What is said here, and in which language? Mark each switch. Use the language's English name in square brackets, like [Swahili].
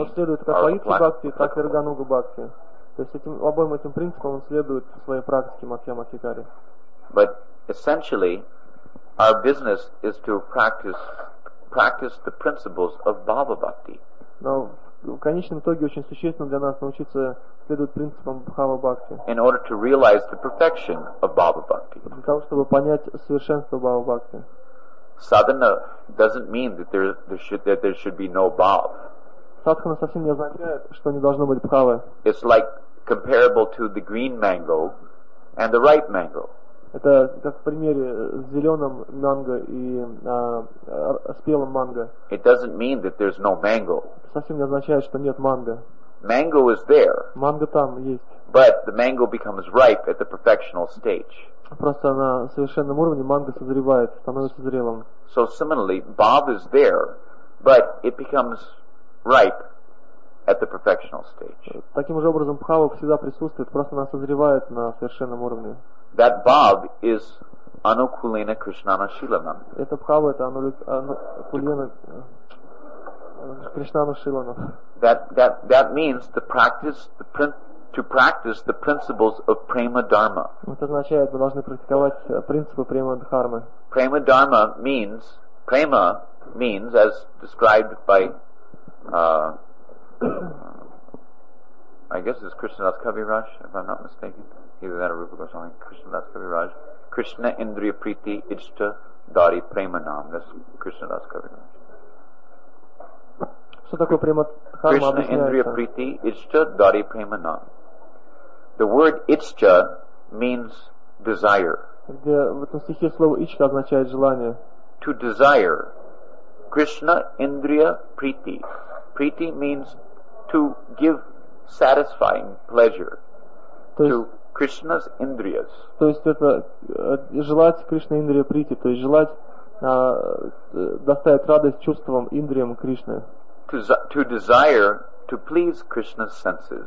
[Russian] Он следует как Vaidhi Bhakti, так и Raganuga Bhakti. То есть этим обоим этим принципам он следует в своей практике Мадхьяма Адхикари. [English] But essentially, our business is to practice the principles of Bhava Bhakti. [Russian] Но в конечном итоге очень существенно для нас научиться следовать принципам Бхава Бхакти. [English] In order to realize the perfection of Bhava Bhakti. [Russian] Для того, чтобы понять совершенство Бхава Бхакти. [English] Sadhana doesn't mean that there should be no bhav. [Russian] Садхана совсем не означает, что не должно быть бхавы. [English] It's like comparable to the green mango and the ripe mango. [Russian] Это как в примере с зеленым манго и спелым манго. [English] It doesn't mean that there's no mango. [Russian] Совсем не означает, что нет манго. [English] Mango is there. [Russian] Манго там есть. [English] But the mango becomes ripe at the perfectional stage. [Russian] Просто на совершенном уровне манго созревает, становится зрелым. [English] So similarly, bhav is there, but it becomes ripe at the perfectional stage. [Russian] Таким же образом, бхава всегда присутствует, просто она созревает на совершенном уровне. [English] That bhav is anukulena krishnana shilanam. [Russian] Это бхава, это анукулена krishnana shilanam. [English] That means to practice the principle. To practice the principles of prema dharma. [Russian] Это означает, мы должны практиковать принципы према дхармы. [English] Prema dharma means prema means as described by I guess it's Krishnadas Kaviraj, if I'm not mistaken. Either that or Rupa Goswami, Krishnadas Kaviraj. Krishna Indriya Priti Ichta Дари Преманам, this Krishna Das Kaviraj. [Russian] Что такое Прематхарма? [English] Krishna Indriya Priti Ischa Dari Premanam. The word Ischa means desire. [Russian] Где в этом стихе слово Ischa означает желание? [English] To desire. Krishna Indriya Priti. Priti means to give satisfying pleasure [Russian] то есть, [English] to Krishna's Indriyas. [Russian] То есть это желать Krishna Indriya Priti, то есть желать доставить радость чувствам, индриям Кришны. [English] To desire to please Krishna's senses.